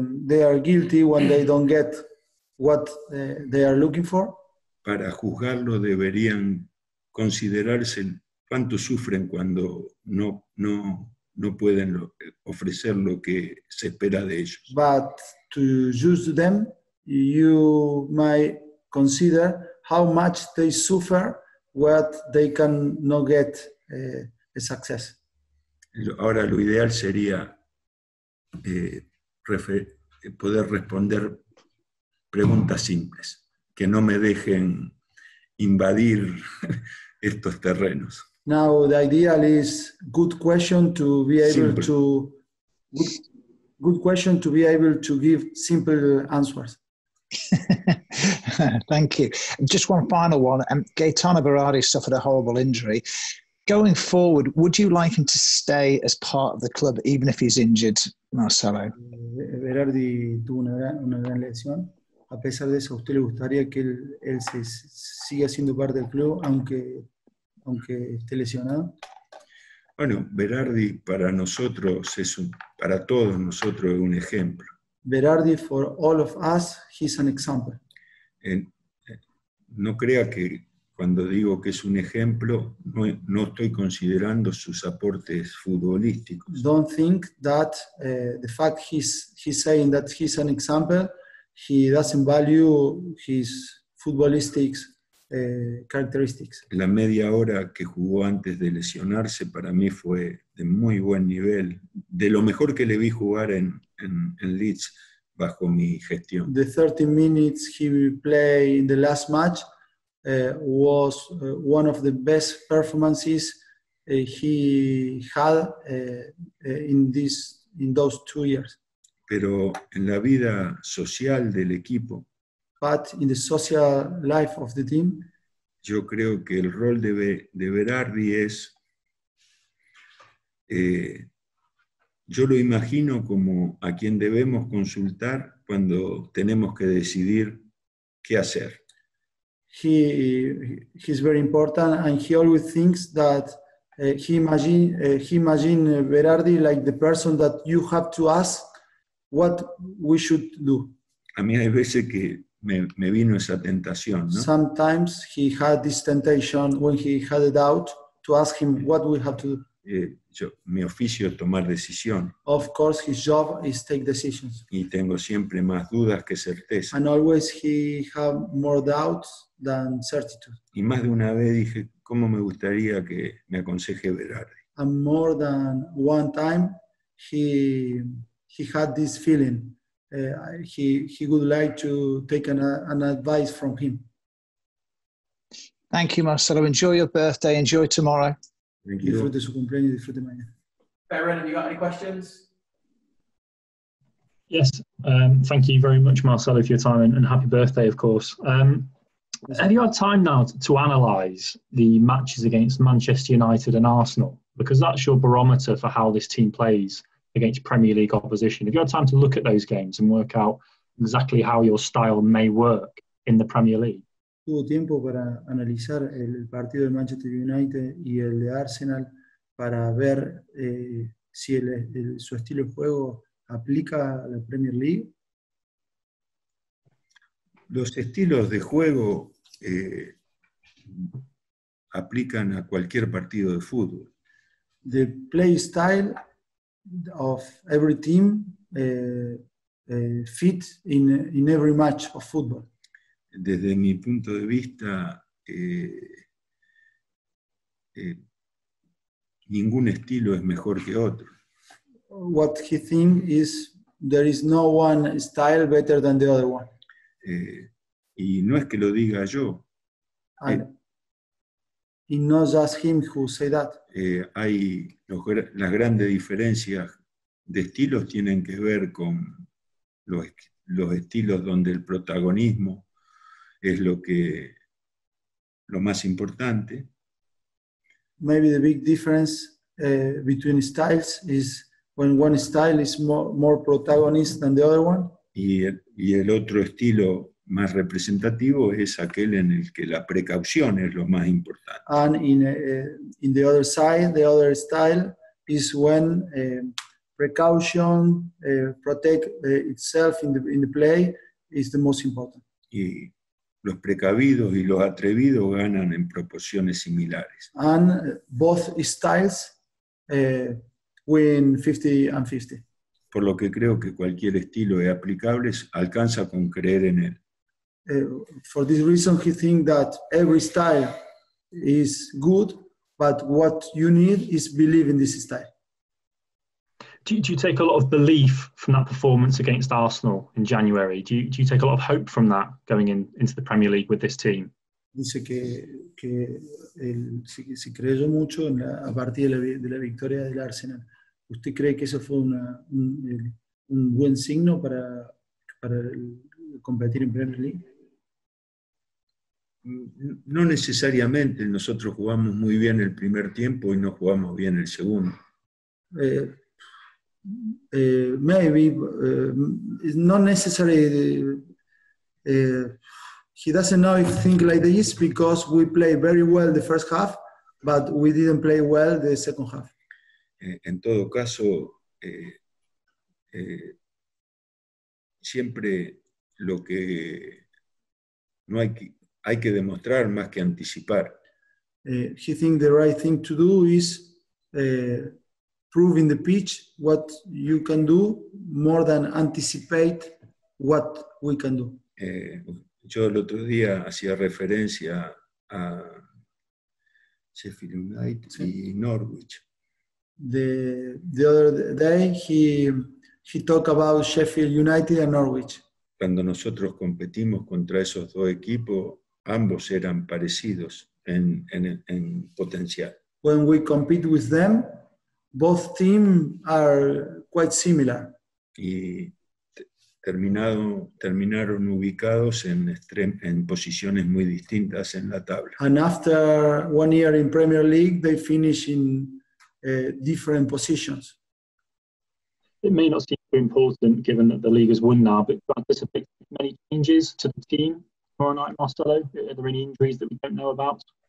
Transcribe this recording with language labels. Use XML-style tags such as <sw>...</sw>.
<en>They are guilty when they don't get what they are looking for.</en> <es>Para juzgarlo deberían considerarse cuánto sufren cuando no pueden ofrecer lo que se espera de ellos.</es> <en>But to judge them, you might consider how much they suffer what they can not get a success.</en> <es>Ahora lo ideal sería poder responder preguntas simples que no me dejen invadir estos terrenos.</es> <en>Now the ideal is good question to be able simple. To good question to be able to give simple answers. Thank you. Just one final one. Gaetano Berardi suffered a horrible injury. Going forward, would you like him to stay as part of the club, even if he's injured, Marcelo?</en> <es>Berardi tuvo una gran lesión. A pesar de eso, ¿usted le gustaría que él se siga siendo parte del club, aunque esté lesionado? Bueno, Berardi para nosotros es para todos nosotros es un ejemplo.</es> <en>Berardi for all of us, he's an example.</en> <es>No crea que cuando digo que es un ejemplo, no estoy considerando sus aportes futbolísticos.</es> <en>Don't think that the fact he's saying that he's an example, he doesn't value his footballistic characteristics.</en> <es>La media hora que jugó antes de lesionarse para mí fue de muy buen nivel, de lo mejor que le vi jugar en Leeds bajo mi gestión.</es> <en>The 30 minutes he played in the last match was one of the best performances he had in those 2 years.</en> <es>Pero en la vida social del equipo.</es> <en>But in the social life of the team.</en> <es>Yo creo que el rol de Berardi es. Yo lo imagino como a quien debemos consultar cuando tenemos que decidir qué hacer.</es> <en>He's very important, and he always thinks that he imagine Berardi like the person that you have to ask what we should do.</en> <es>A mí hay veces que me vino esa tentación, ¿no?</es> <en>Sometimes he had this temptation when he had a doubt to ask him what we have to do.</en> <es>Mi oficio es tomar decisión.</es> <en>Of course, his job is take decisions.</en> <es>Y tengo siempre más dudas que certeza.</es> <en>And always he have more doubts than certitude.</en> <es>Y más de una vez dije, ¿cómo me gustaría que me aconseje Berardi?</es> <en>And more than one time he had this feeling. He would like to take an advice from him. Thank you, Marcelo. Enjoy your birthday. Enjoy tomorrow. Thank you.</en> <es>Disfrute su cumpleaños, disfrute mañana.</es> <en>Baron, have you got any questions? Yes, thank you very much, Marcelo, for your time, and happy birthday, of course. Have you had time now to analyse the matches against Manchester United and Arsenal? Because that's your barometer for how this team plays against Premier League opposition. Have you had time to look at those games and work out exactly how your style may work in the Premier League?</en> <es>Tuvo tiempo para analizar el partido de Manchester United y el de Arsenal para ver si su estilo de juego aplica a la Premier League. Los estilos de juego aplican a cualquier partido de fútbol.</es> <en>The play style of every team fit in every match of football.</en> <es>Desde mi punto de vista, ningún estilo es mejor que otro.</es> <en>What he thinks is there is no one style better than the other one.</en> <es>Y no es que lo diga yo.</es> <en>And, He knows us him who say that.</en> <es>Hay las grandes diferencias de estilos tienen que ver con los estilos donde el protagonismo es lo más importante.</es> <en>Maybe the big difference between styles is when one style is more protagonist than the other one.</en> <es>Y el otro estilo más representativo es aquel en el que la precaución es lo más importante.</es> <en>And in the other side, the other style is when precaution protect itself in the play is the most important.</en> <es>Y los precavidos y los atrevidos ganan en proporciones similares.</es> <en>And both styles win 50-50.</en> <es>Por lo que creo que cualquier estilo es aplicable, alcanza con creer en él.</es> <en>For this reason, he thinks that every style is good, but what you need is believe in this style. Do you take a lot of belief from that performance against Arsenal in January? Do you take a lot of hope from that going into the Premier League with this team?</en> <es>Dice que si creyó mucho a partir de la victoria del Arsenal. ¿Usted cree que eso fue un buen signo para competir en Premier League? No necesariamente. Nosotros jugamos muy bien el primer tiempo y no jugamos bien el segundo.</es> <en>Not necessarily. He doesn't know if think like this because we play very well the first half, but we didn't play well the second half.</en> <es>En todo caso, siempre lo que no hay que demostrar más que anticipar.</es> <en>He thinks the right thing to do is prove in the pitch what you can do more than anticipate what we can do.</en> <es>Yo el otro día hacía referencia a Sheffield United y Norwich.</es> <en>The other day he talked about Sheffield United and Norwich.</en> <es>Cuando nosotros competimos contra esos dos equipos, ambos eran parecidos en potencial.</es> <en>When we compete with them, both teams are quite similar.</en> <es>Y terminaron ubicados en posiciones muy distintas en la tabla.</es> <en>And after one year in Premier League, they finish in different positions. It may not seem too important given that the league has won now, but do you anticipate many changes to the team tomorrow night, Marcelo? Are there any injuries that we don't know about?</en>